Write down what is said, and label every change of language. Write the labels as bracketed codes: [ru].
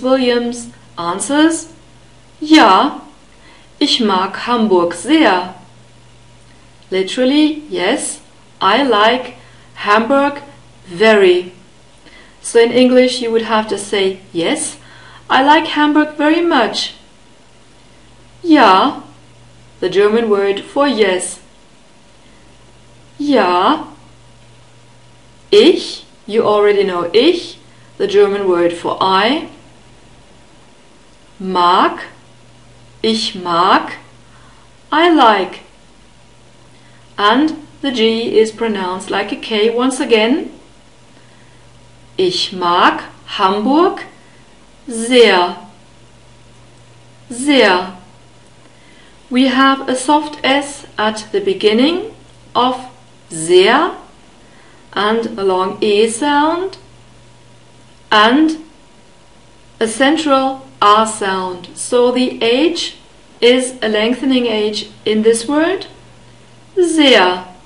[en] Williams answers, [de] ja, ich mag Hamburg sehr. [en] Literally, yes, I like Hamburg very. So in English you would have to say, yes, I like Hamburg very much. Ja, the German word for yes. Ja, ich, you already know ich, the German word for I. [de] Mag, ich mag, [en] I like. And the G is pronounced like a K once again. [de] Ich mag Hamburg sehr, sehr. [en] We have a soft S at the beginning of sehr and a long E sound and a central A sound. So the H is a lengthening H in this word. Sehr.